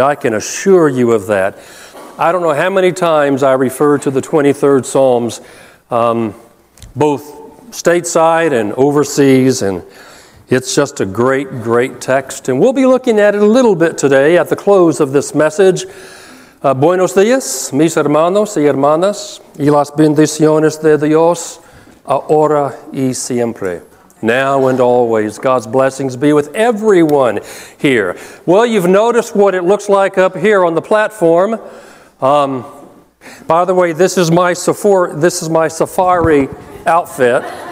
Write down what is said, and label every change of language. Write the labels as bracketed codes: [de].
[en] I can assure you of that. I don't know how many times I refer to the 23rd Psalms, both stateside and overseas, and it's just a great, great text. And we'll be looking at it a little bit today at the close of this message. [es] Buenos dias, mis hermanos y hermanas, y las bendiciones de Dios. Ahora y siempre, [en] now and always. God's blessings be with everyone here. Well, you've noticed what it looks like up here on the platform. By the way, this is my safari outfit.